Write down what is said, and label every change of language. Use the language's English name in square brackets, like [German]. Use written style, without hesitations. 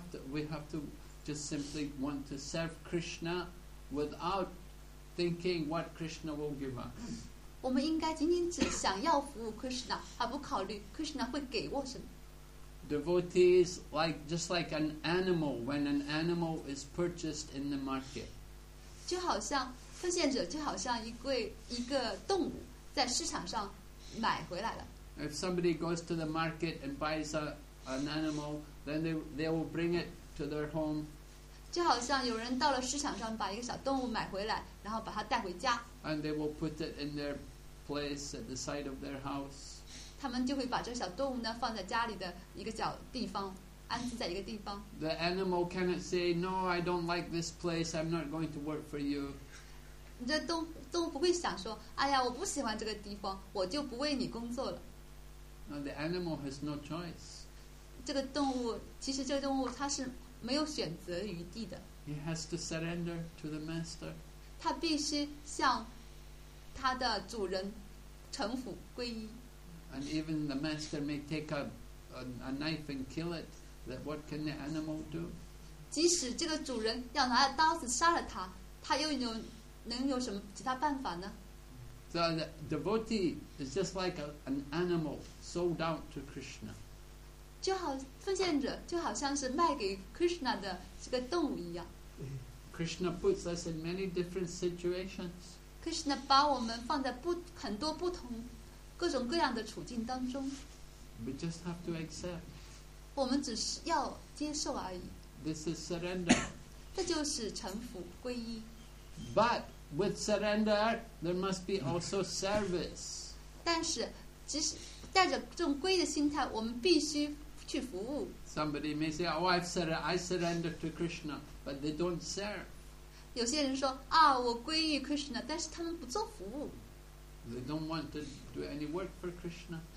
[English] We have to. Just simply want to serve Krishna without thinking what Krishna will give us. [Chinese] 我们应该仅仅只想要服务 Krishna， 而不考虑 Krishna 会给我什么。 [English] Devotees like just like an animal when an animal is purchased in the market. [Chinese] 就好像奉献者就好像一个动物在市场上买回来了。 [English] If somebody goes to the market and buys an animal, then they will bring it. To their home. [Chinese] 就好像有人到了市场上把一个小动物买回来，然后把它带回家。 [English] And they will put it in their place at the side of their house. [Chinese] 他们就会把这小动物呢放在家里的一个小地方，安置在一个地方。 [English] The animal cannot say, "No, I don't like this place. I'm not going to work for you." [Chinese] 你这都不会想说，哎呀，我不喜欢这个地方，我就不为你工作了。 [English] Now, the animal has no choice. [Chinese] 这个动物，其实这个动物它是没有选择余地的。 [English] He has to surrender to the master. [Chinese] 它必须向它的主人臣服归依。 [English] And even the master may take a knife and kill it. That what can the animal do? [Chinese] 即使这个主人要拿刀子杀了它，它又有能有什么其他办法呢？ [English] So the devotee is just like an animal sold out to Krishna. [Chinese] 就好奉献者就好像是卖给 Krishna 的这个动物一样。 [English] Krishna puts us in many different situations. [Chinese] Krishna 把我们放在很多不同各种各样的处境当中。 [English] We just have to accept. [Chinese] 我们只是要接受而已。 [English] This is surrender. [Chinese] 这就是臣服归依。 [English] But with surrender, there must be also service. [Chinese] 但是，即使带着这种皈依的心态，我们必须去服务。 [English] Somebody may say, "Oh, I surrender to Krishna," but they don't serve. [Chinese] 有些人说啊，我皈依 Krishna， 但是他们不做服务。 [English] They don't want to do any work for Krishna.